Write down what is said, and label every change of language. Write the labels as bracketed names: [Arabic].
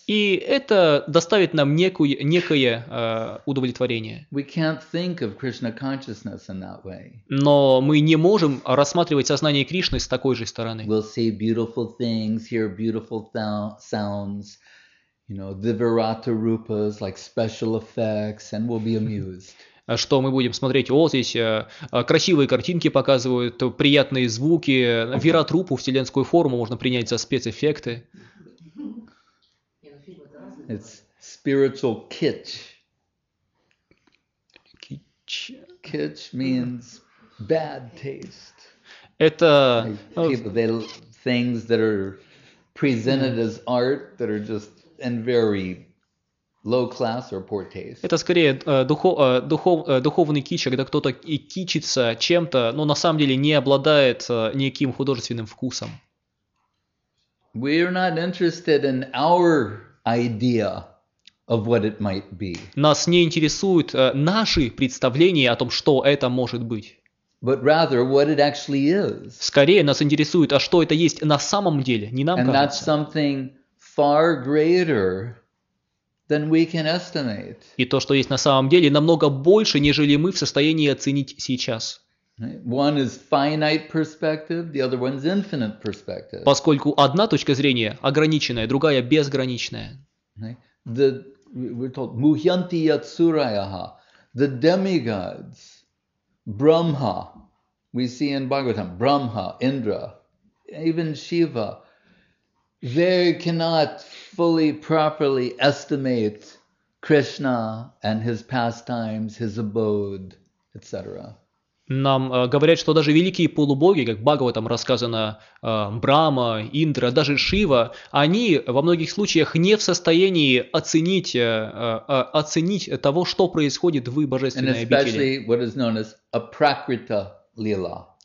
[Russian] И это доставит нам некое удовлетворение. [English] We can't think of Krishna consciousness in that way. [Russian] Но мы не можем рассматривать сознание Кришны с такой же стороны. [English] We'll see beautiful things, hear beautiful sounds, you know, divirata rupas, like special effects, and we'll be amused. [Russian] Что мы будем смотреть? О, здесь красивые картинки показывают, приятные звуки, виратрупу, вселенскую форму можно принять за спецэффекты. [English] It's spiritual kitsch. Kitsch. Kitsch means bad taste. [Russian] Это [English] things that are presented as art that are just in very low class or poor taste. [Russian] Это скорее духовный кич, когда кто-то и кичится чем-то, но на самом деле не обладает никаким художественным вкусом. [English] We are not interested in our idea of what it might be. [Russian] Нас не интересуют наши представления о том, что это может быть. [English] But rather, what it actually is. [Russian] Скорее нас интересует, а что это есть на самом деле, не нам [English] And [Russian] кажется. [English] That's something far greater than we can estimate. [Russian] И то, что есть на самом деле, намного больше, нежели мы в состоянии оценить сейчас. [English] One is finite perspective, the other one is infinite perspective. [Russian] Поскольку одна точка зрения ограниченная, другая безграничная. [English] The we're told [Sanskrit] muhyanti yatsurayaha, [English] the demigods, Brahma, we see in Bhagavatam, Brahma, Indra, even Shiva, they cannot fully properly estimate Krishna and his pastimes, his abode, etc. [Russian] Нам говорят, что даже великие полубоги, как Бхагаватам рассказано, Брама, Индра, даже Шива, они во многих случаях не в состоянии оценить того, что происходит в божественной обители.